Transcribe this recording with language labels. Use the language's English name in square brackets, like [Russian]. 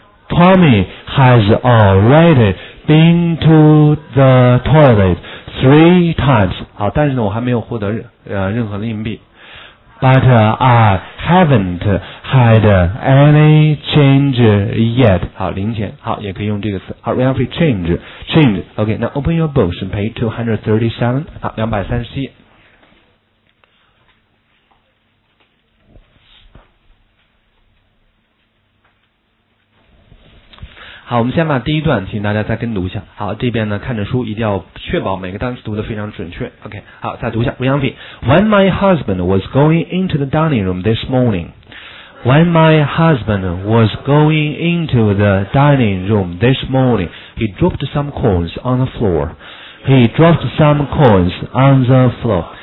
[English] ？Tommy has already been to the toilet three times。 [Chinese] 好，但是呢，我还没有获得任何的硬币。 [English] But I haven't had any change yet。 [Chinese] 好，零钱。好，也可以用这个词。好 ， [English] we have change。 [Chinese] OK， 那 [English] open your books， page 237。 [Chinese] 好，237。好，我们先把第一段请大家再跟读一下。好，这边呢看着书，一定要确保每个单词读得非常准确。 OK， 好，再读一下 Renfe。 [English] When my husband was going into the dining room this morning. When my husband was going into the dining room this morning, he dropped some coins on the floor. He dropped some coins on the floor.